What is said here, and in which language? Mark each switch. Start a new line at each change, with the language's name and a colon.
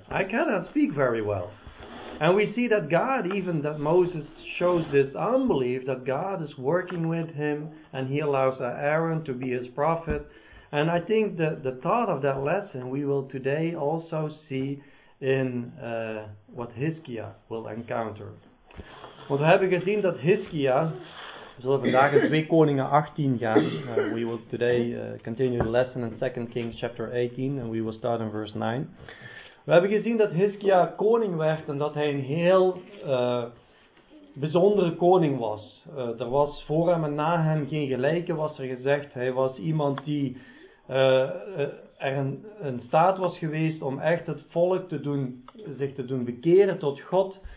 English: I cannot speak very well. And we see that God, even that Moses shows this unbelief, that God is working with him, and he allows Aaron to be his prophet. And I think that the thought of that lesson we will today also see in what Hizkia will encounter.
Dutch: Want we hebben gezien dat Hizkia, we zullen vandaag in 2 Koningen 18 gaan.
English: We will today continue the lesson in 2 Kings chapter 18 and we will start in verse 9.
Dutch: We hebben gezien dat Hizkia koning werd en dat hij een heel bijzondere koning was. Er was voor hem en na hem geen gelijke, was er gezegd. Hij was iemand die er in staat was geweest om echt het volk zich te doen bekeren tot God.